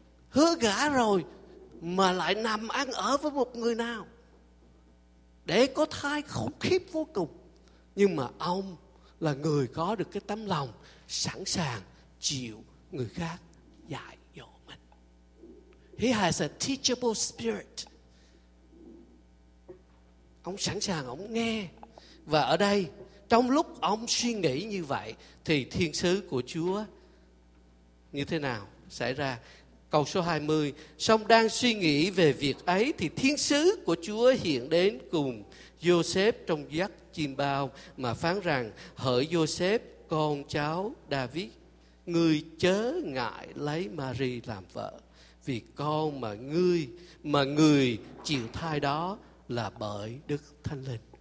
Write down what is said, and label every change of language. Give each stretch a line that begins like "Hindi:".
Vietnamese: Hứa gả rồi mà lại nằm ăn ở với một người nào để có thai khủng khiếp vô cùng. Nhưng mà ông là người có được cái tấm lòng sẵn sàng chịu người khác dạy dỗ mình.
English: He has a teachable spirit.
Vietnamese: Ông sẵn sàng, ông nghe. Và ở đây, trong lúc ông suy nghĩ như vậy, thì thiên sứ của Chúa như thế nào xảy ra? Câu số 20, song đang suy nghĩ về việc ấy, thì thiên sứ của Chúa hiện đến cùng Joseph trong giấc chiêm bao mà phán rằng: hỡi Joseph, con cháu David, ngươi chớ ngại lấy Mary làm vợ, vì con mà ngươi chịu thai đó là bởi Đức Thánh Linh.